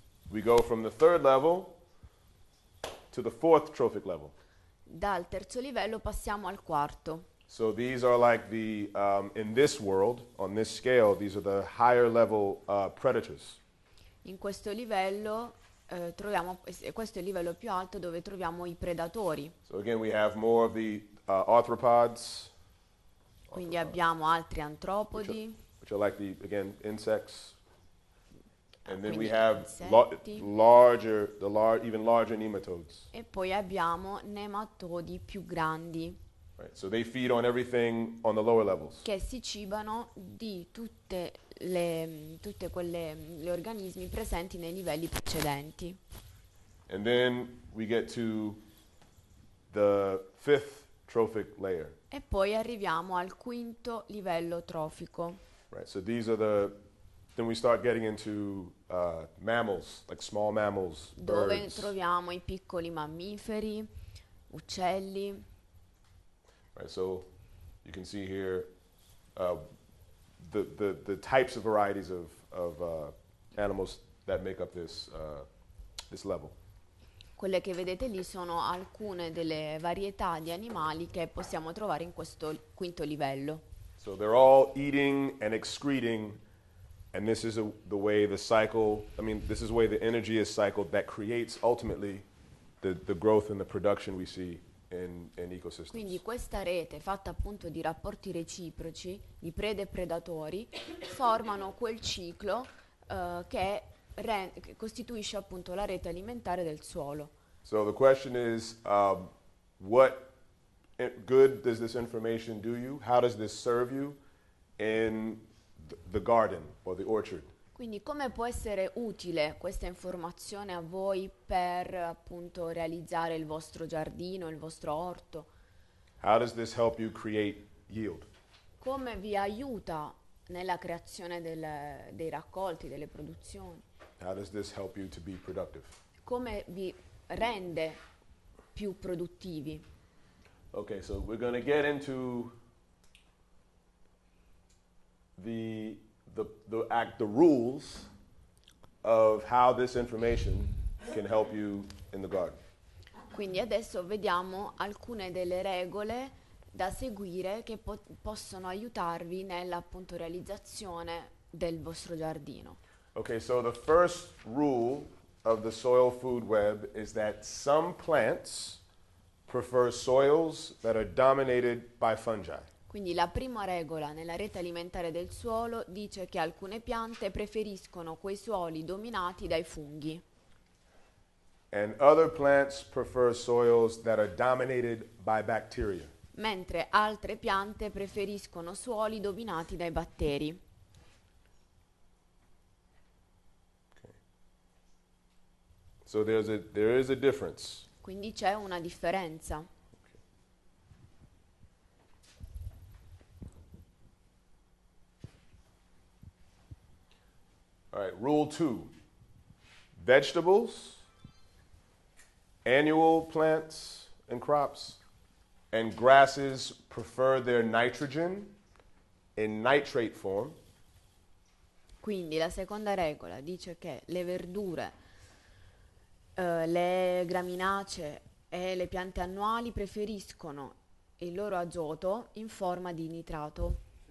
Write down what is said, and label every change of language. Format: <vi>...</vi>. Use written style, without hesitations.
<en>We go from the third level to the fourth trophic level.</en> <it>Dal terzo livello passiamo al quarto.</it> <en>So these are like the in this world on this scale these are the higher level predators.</en> <it>In questo livello troviamo questo è il livello più alto dove troviamo i predatori.</it> <en>So again we have more of the arthropods.</en> <it>Quindi abbiamo altri antropodi.</it> <en>Which are like the again insects. And then we have larger nematodes.</en> <it>E poi abbiamo nematodi più grandi.</it> <en>Right, so they feed on everything on the lower levels.</en> <it>Che si cibano di tutte quelle organismi presenti nei livelli precedenti.</it> <en>And then we get to the fifth trophic layer.</en> <it>E poi arriviamo al quinto livello trofico.</it> <en>Right, so these are the then we start getting into mammals, like small mammals,</en> <it>dove</it> <en>birds.</en> <it>Dove troviamo i piccoli mammiferi, uccelli.</it> <en>Right, so you can see here the types of varieties of animals that make up this level.</en> <it>Quelle che vedete lì sono alcune delle varietà di animali che possiamo trovare in questo quinto livello.</it> <en>So they're all eating and excreting. And this is the way the cycle, this is the way the energy is cycled that creates ultimately the growth and the production we see in ecosystems.</en> <it>Quindi questa rete fatta appunto di rapporti reciproci, di prede e predatori, formano quel ciclo che costituisce appunto la rete alimentare del suolo.</it> <en>So the question is, what good does this information do you? How does this serve you in the garden or the orchard.</en> <it>Quindi come può essere utile questa informazione a voi per appunto realizzare il vostro giardino, il vostro orto?</it> <en>How does this help you create yield?</en> <it>Come vi aiuta nella creazione dei raccolti, delle produzioni?</it> <en>How does this help you to be productive?</en> <it>Come vi rende più produttivi?</it> <en>Okay, so we're going to get into the rules of how this information can help you in the garden.</en> <it>Quindi adesso vediamo alcune delle regole da seguire che possono aiutarvi nella appunto realizzazione del vostro giardino.</it> <en>Okay, so the first rule of the soil food web is that some plants prefer soils that are dominated by fungi.</en> <it>Quindi la prima regola nella rete alimentare del suolo dice che alcune piante preferiscono quei suoli dominati dai funghi.</it> <en>And other plants prefer soils that are dominated by bacteria.</en> <it>Mentre altre piante preferiscono suoli dominati dai batteri.</it> <en>Okay. So there is a difference.</en> <it>Quindi c'è una differenza.</it> <en>All right, rule two. Vegetables, annual plants and crops, and grasses prefer their nitrogen in nitrate form.</en> <it>Quindi la seconda regola dice che le verdure, le graminacee e le piante annuali preferiscono il loro azoto in forma di nitrato.</it>